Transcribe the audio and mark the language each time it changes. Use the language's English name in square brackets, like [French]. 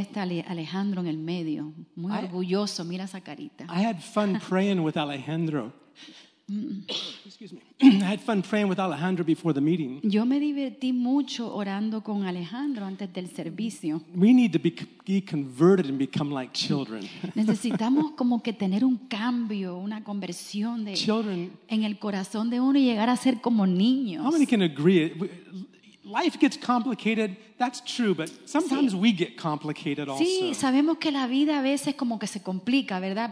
[Spanish] Está Alejandro en el medio, muy orgulloso, mira esa carita. [English] I had fun praying with Alejandro. I had fun praying with Alejandro before the meeting. [Spanish] Yo me divertí mucho orando con Alejandro antes del servicio. [English] We need to be converted and become like children. [Spanish] Necesitamos como que tener un cambio, una conversión de [English] children, [Spanish] en el corazón de uno y llegar a ser como niños. [English] How many can agree? Life gets complicated. That's true, but sometimes we get complicated also. [Spanish] Sí, sabemos que la vida a veces como que se complica, ¿verdad?